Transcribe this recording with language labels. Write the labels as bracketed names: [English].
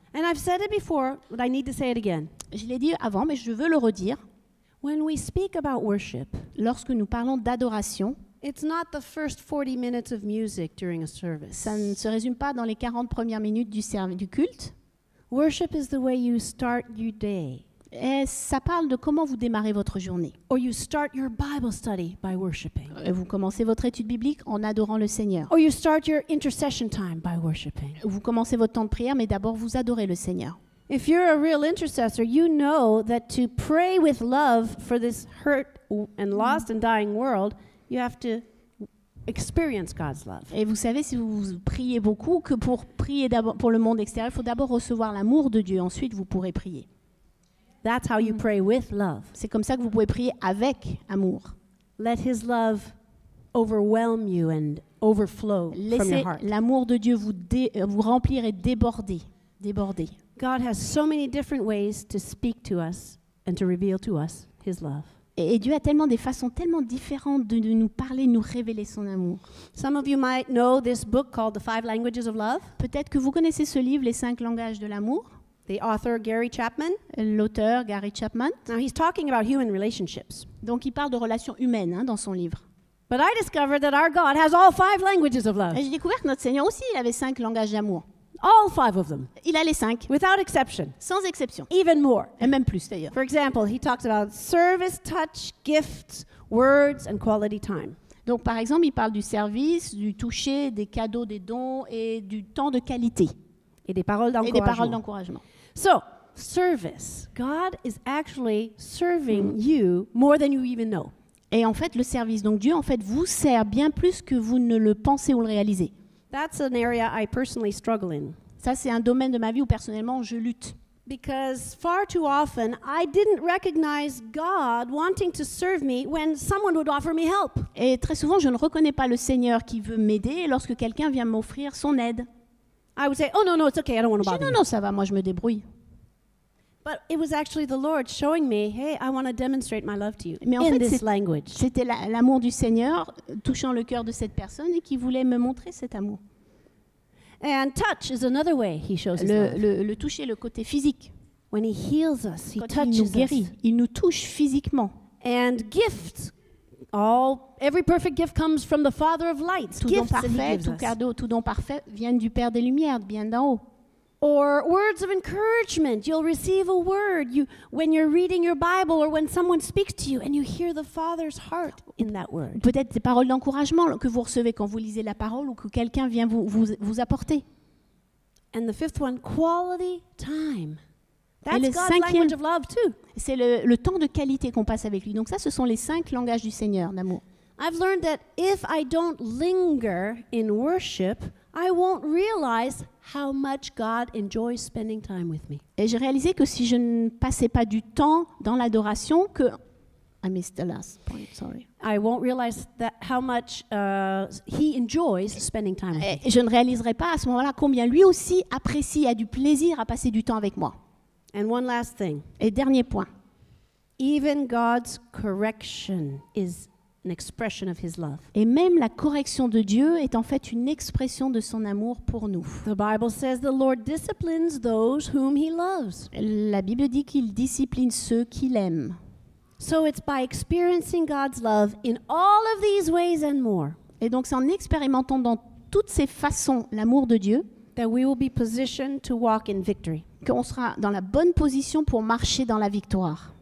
[English] And I've said it before, but I need to say it again. [French] Je l'ai dit avant, mais je veux le redire. [English] When we speak about worship, [French] lorsque nous parlons d'adoration, [English] it's not the first 40 minutes of music during a service. [French] Ça ne se résume pas dans les 40 premières minutes du culte. [English] Worship is the way you start your day. [French] Et ça parle de comment vous démarrez votre journée. [English] Or you start your Bible study by worshiping. [French] Et vous commencez votre étude biblique en adorant le Seigneur. [English] Or you start your intercession time by worshiping. [French] Vous commencez votre temps de prière, mais d'abord vous adorez le Seigneur. [English] If you're a real intercessor, you know that to pray with love for this hurt and lost and dying world, you have to experience God's love. [French] Et vous savez, si vous priez beaucoup, que pour prier d'abord pour le monde extérieur, il faut d'abord recevoir l'amour de Dieu. Ensuite, vous pourrez prier. [English] That's how you pray with love. [French] C'est comme ça que vous pouvez prier avec amour. [English] Let his love overwhelm you and overflow [French] Laissez [English] from your heart. [French] L'amour de Dieu vous remplir et déborder. [English] God has so many different ways to speak to us and to reveal to us his love. [French] Et Dieu a tellement des façons tellement différentes de nous parler, de nous révéler son amour. [English] Some of you might know this book called The Five Languages of Love. [French] Peut-être que vous connaissez ce livre, Les Cinq Langages de l'Amour. [English] The author Gary Chapman. [French] L'auteur Gary Chapman. [English] Now he's talking about human relationships. [French] Donc il parle de relations humaines hein, dans son livre. [English] But I discovered that our God has all five languages of love. [French] Et j'ai découvert que notre Seigneur aussi, il avait cinq langages d'amour. [English] All five of them. [French] Il a les cinq. [English] Without exception. [French] Sans exception. [English] Even more. [French] Et même plus d'ailleurs. [English] For example, he talks about service, touch, gifts, words, and quality time. [French] Donc par exemple, il parle du service, du toucher, des cadeaux, des dons et du temps de qualité. Et des paroles d'encouragement. Et des paroles d'encouragement. [English] So, service. God is actually serving you more than you even know. [French] Et en fait, le service, donc Dieu, en fait, vous sert bien plus que vous ne le pensez ou le réalisez. [English] That's an area I personally struggle in. [French] Ça, c'est un domaine de ma vie où personnellement, je lutte. [English] Because far too often, I didn't recognize God wanting to serve me when someone would offer me help. [French] Et très souvent, je ne reconnais pas le Seigneur qui veut m'aider lorsque quelqu'un vient m'offrir son aide. [English] I would say, oh no, no, it's okay, I don't want to bother you. [French] Non, non, ça va, moi, je me débrouille. [English] But it was actually the Lord showing me, hey, I want to demonstrate my love to you in this language. [French] C'était l'amour du Seigneur touchant le cœur de cette personne et qui voulait me montrer cet amour. [English] And touch is another way he shows his love. [French] Le toucher, le côté physique. [English] When he heals us, he touches us. [French] Quand il nous touche physiquement. [English] And gifts. Every perfect gift comes from the Father of lights. [French] Tout don parfait, tout cadeau, tout don parfait vient du Père des Lumières, bien d'en haut. [English] Or words of encouragement. You'll receive a word when you're reading your Bible or when someone speaks to you and you hear the Father's heart in that word. [French] Peut-être des paroles d'encouragement que vous recevez quand vous lisez la parole ou que quelqu'un vient vous apporter. [English] And the fifth one, quality time. That's God's language of love too. [French] C'est le temps de qualité qu'on passe avec lui. Donc ça, ce sont les cinq langages du Seigneur d'amour. [English] I've learned that if I don't linger in worship, I won't realize how much God enjoys spending time with me. [French] Et j'ai réalisé que si je ne passais pas du temps dans l'adoration, que [English] I missed the last point. Sorry. I won't realize that how much He enjoys spending time with me. [French] Et je ne réaliserai pas à ce moment-là combien lui aussi apprécie, a du plaisir à passer du temps avec moi. [English] And one last thing. [French] Et dernier point. [English] Even God's correction is an expression of his love. [French] Et même la correction de Dieu est en fait une expression de son amour pour nous. [English] The Bible says the Lord disciplines those whom he loves. [French] La Bible dit qu'il discipline ceux qu'il aime. [English] So it's by experiencing God's love in all of these ways and more. [French] Et donc c'est en expérimentant dans toutes ces façons l'amour de Dieu [English] that we will be positioned to walk in victory. [French] Qu'on sera dans la bonne position pour marcher dans la victoire.